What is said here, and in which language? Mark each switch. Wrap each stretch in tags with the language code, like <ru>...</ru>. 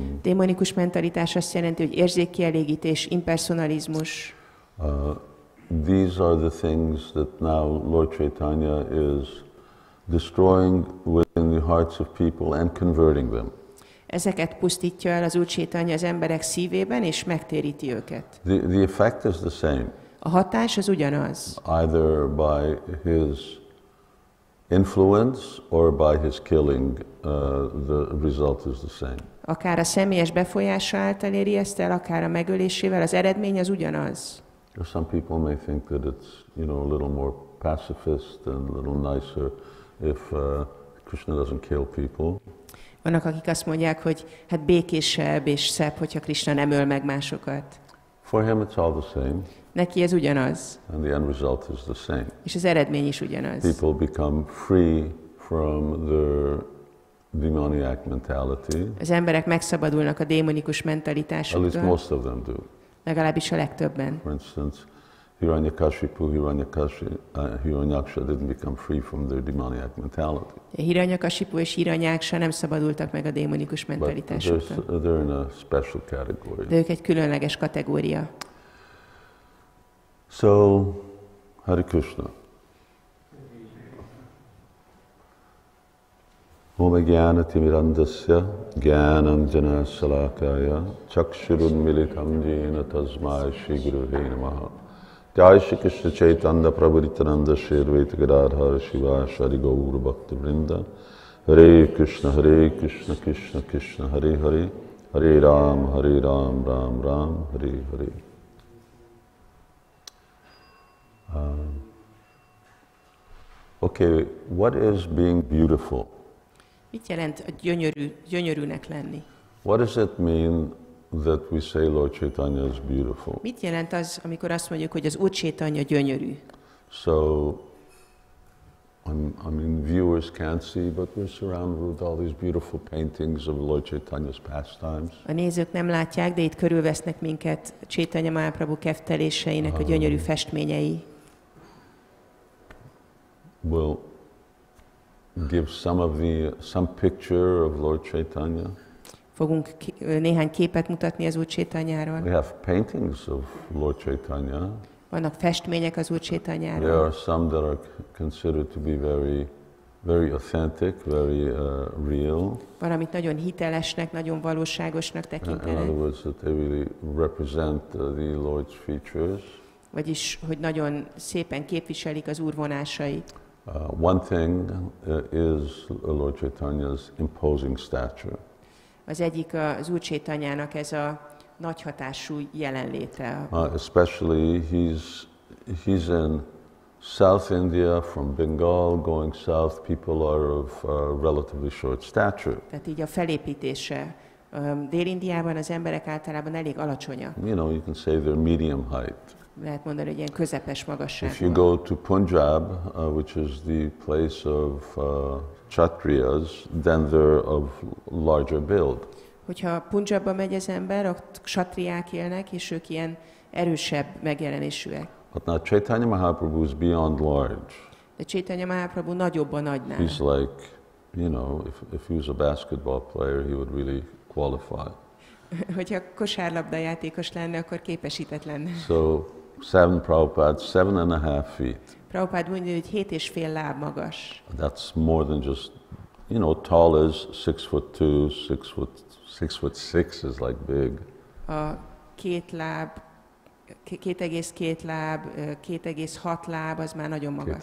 <hu>Démonikus mentalitás azt jelenti, hogy érzékkielégítés, impersonalizmus.</hu> <en>These are the things that now Lord Chaitanya is destroying within the hearts of people and converting them.</en> <hu>Ezeket pusztítja el az Úr Chaitanya az emberek szívében és megtéríti őket.</hu> <en>The effect is the same.</en> <hu>A hatás az ugyanaz.</hu> <en>Either by his influence or by his killing, the result is the same.</en> <hu>Akár a személyes befolyása által éri ezt el, akár a megölésével, az eredmény az ugyanaz.</hu> <en>Some people may think that it's, you know, a little more pacifist and a little nicer if Krishna doesn't kill people.</en> <hu>Vannak, akik azt mondják, hogy hát békésebb és szebb, hogyha Krishna nem öl meg másokat.</hu> <en>For him it's all the same.</en> <hu>Neki ez ugyanaz.</hu> <en>And the end result is the same.</en> <hu>És az eredmény is ugyanaz.</hu> <en>People become free from their demoniac mentality.</en> <hu>Az emberek megszabadulnak a démonikus mentalitásoktól.</hu> <en>At least most of them do.</en> <hu>Legalábbis a legtöbben.</hu> <en>For instance, Hiranyakashipu, Hiranyaksha didn't become free from their demoniac mentality.</en> <hu>Hiranyakashipu és Hiranyaksha nem szabadultak meg a démonikus mentalitásoktól.</hu> <en>But they're in a special category.</en> <hu>De ők egy különleges kategória.</hu> <en>So, Hare Krishna.</en> <sa>Om Jnana Timirandasya Jnanam Jana Salakaya Chakshurun Militam Jena Tasmaya Shri Guruve Namaha Jai Shri Krishna Chaitanya Prabhuritananda Shri Advaita Gadadhara Shiva Shri Gaur Bhakti Vrinda Hare Krishna Krishna Krishna Hare Hare Hare Ram Hare Ram Ram Ram Hare Hare.</sa> <en>What is being beautiful?</en> <hu>Mit jelent a gyönyörűnek lenni?</hu> <en>What does it mean that we say Lord Chaitanya is beautiful?</en> <hu>Mit jelent az, amikor azt mondjuk, hogy az Úr Chaitanya gyönyörű?</hu> <en>So, a I mean, viewers can't see, but we're surrounded with all these beautiful paintings of Lord Chaitanya's pastimes.</en> <hu>A nézők nem látják, de itt körülvesznek minket Chaitanya Mahaprabhu kefteléseinek a gyönyörű festményei.</hu> <en>We'll give some picture of Lord Chaitanya.</en> <hu>Fogunk néhány képet mutatni az Úr Chaitanyáról.</hu> <en>We have paintings of Lord Chaitanya.</en> <hu>Vannak festmények az Úr Chaitanyáról.</hu> <en>There are some that are considered to be very, very authentic, very real.</en> <hu>Van, amit nagyon hitelesnek, nagyon valóságosnak tekintenek.</hu> <en>In other words, that they really represent the Lord's features.</en> <hu>Vagyis, hogy nagyon szépen képviselik az Úr vonásait.</hu> <en>One thing is Lord Chaitanya's imposing stature.</en> <hu>Az egyik az Úr Chaitanyának ez a nagy hatású jelenléte.</hu> <en>Especially he's in South India from Bengal going south, people are of relatively short stature.</en> <hu>Tehát így a felépítése Dél-Indiában az emberek általában elég alacsonyak.</hu> <en>You know, you can say they're medium height.</en> <hu>Lehet mondani, hogy ilyen közepes magasságban.</hu> <en>If you go to Punjab, which is the place of Kshatriyas, then they're of larger build.</en> <hu>Hogyha Punjabba megy az ember, ott Kshatriyák élnek, és ők ilyen erősebb megjelenésűek.</hu> <en>But now Chaitanya Mahaprabhu is beyond large.</en> <hu>De Chaitanya Mahaprabhu nagyobb a nagynál.</hu> <en>He's like, you know, if he was a basketball player, he would really qualify.</en> <hu>Hogyha kosárlabda játékos lenne, akkor képesített lenne.</hu> <en>So, seven Prabhupada, 7.5 feet.</en> <hu>Prabhupada mondja, hogy 7.5 láb magas.</hu> <en>That's more than just, you know, tall is 6'2", 6'6" is like big.</en> <hu>A két láb, 2.2 láb, 2.6 láb, az már nagyon magas.</hu>